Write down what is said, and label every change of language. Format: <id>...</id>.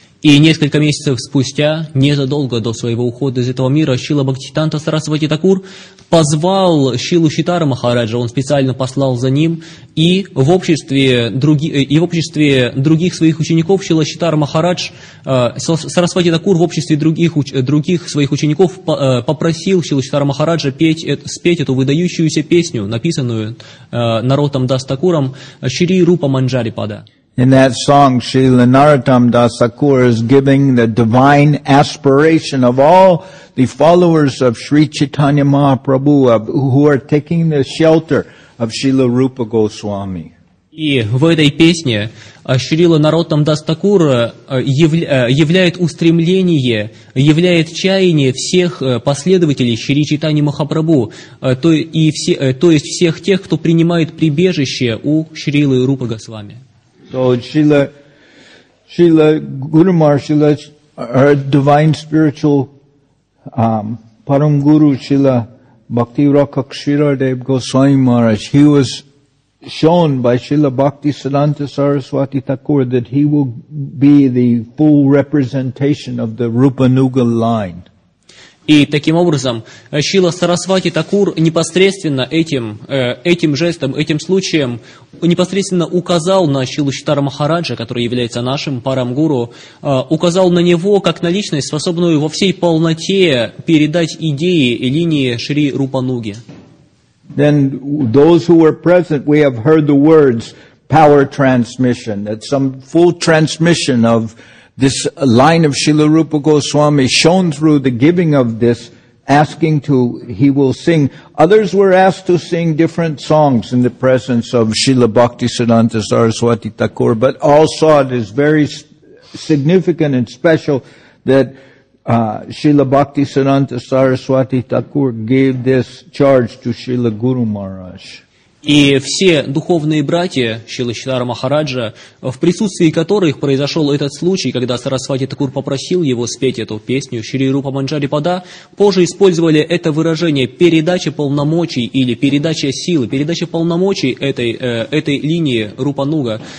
<ru>И несколько месяцев спустя, незадолго до своего ухода из этого мира, Шрила Бхактисиддханта Сарасвати Такур позвал Шрилу Читара Махараджа, он специально послал за ним, и в обществе других своих учеников Шрила Читара Махарадж, Сарасвати Такур в обществе других своих учеников попросил Шрилу Читара Махараджа спеть эту выдающуюся песню, написанную Народом Дас Такуром, Шри Рупа Манджари Пада.</ru> <en>In that song, Srila Narottam Das Thakur is giving the divine aspiration of all the followers of Sri Chaitanya Mahaprabhu who are taking the shelter of Srila Rupa Goswami.</en> <ru>И в этой песне Шрила Народам Дас Такур являет устремление, являет чаяние всех последователей Шри Чайтаньи Махапрабху, то есть всех тех, кто принимает прибежище у Шрилы Рупа Госвами.</ru> <en>So Srila Guru Maharaj, Srila, our divine spiritual Param Guru, Srila Bhakti Rakak Shiradev Goswami Maharaj, he was shown by Srila Bhakti Siddhanta Saraswati Thakur that he will be the full representation of the Rupanuga line.</en> <ru>И таким образом Шрила Сарасвати Такур непосредственно этим жестом, этим случаем непосредственно указал на Шрилу Читара Махараджа, который является нашим парамгуру, указал на него как на личность, способную во всей полноте передать идеи и линии Шри Рупануги.</ru> <en>Then those who were present, we have heard the words power transmission, that some full transmission of this line of Srila Rupa Goswami shown through the giving of this, asking to, he will sing. Others were asked to sing different songs in the presence of Srila Bhakti Siddhanta Saraswati Thakur, but all saw it as very significant and special that Srila Bhakti Siddhanta Saraswati Thakur gave this charge to Srila Guru Maharaj.</en> <ru>И все духовные братья Шилы Читара Махараджа, в присутствии которых произошел этот случай, когда Сарасвати Такур попросил его спеть эту песню, Шри Рупа Манджари Пада, позже использовали это выражение «передача полномочий» или «передача силы», «передача полномочий» этой линии Рупа Нуга.</ru>